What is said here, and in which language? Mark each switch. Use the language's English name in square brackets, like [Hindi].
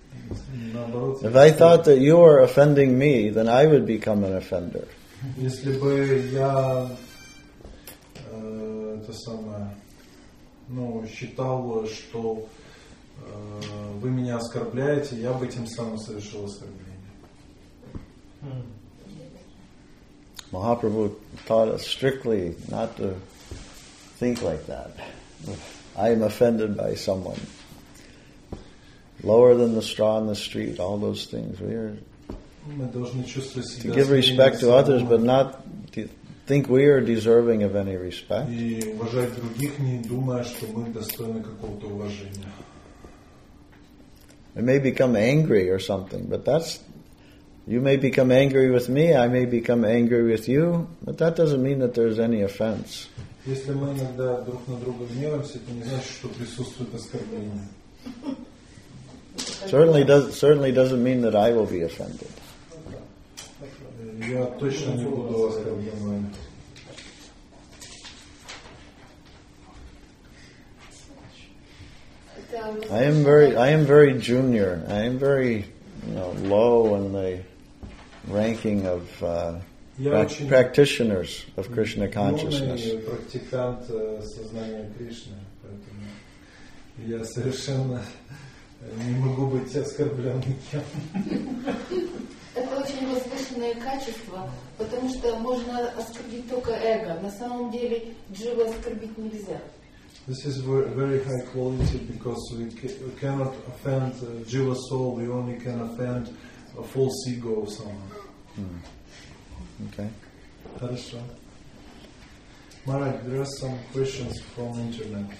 [English] If I thought that you were offending me, then I would become an offender. [Russian] Если бы я это самое, ну, считал, что вы меня оскорбляете, я бы тем самым совершил оскорбление. [English] Mahaprabhu taught us strictly not to think like that. I am offended by someone. Lower than the straw in the street, all those things. We are to give respect to others, but not to think we are deserving of any respect. I may become angry or something, but that's... You may become angry with me, I may become angry with you, but that doesn't mean that there's any offense. [Russian] Если мы иногда друг на друга гневаемся, это не значит, что присутствует оскорбление. [English] Certainly doesn't mean that I will be offended. [Russian] Я точно не буду оскорблен. [English] I am very junior. I am very, you know, low in the ranking of practitioners of Krishna consciousness. [Russian] Практикант сознания Кришны, поэтому я совершенно не могу быть оскорблен никем. Это очень возвышенное качество, потому что можно оскорбить только эго. На самом деле джива оскорбить нельзя. [English] This is very high quality because we cannot offend jiva soul. We only can offend a false ego of someone. Okay. [Russian] Хорошо. [English] Марат, there are some questions from the internet.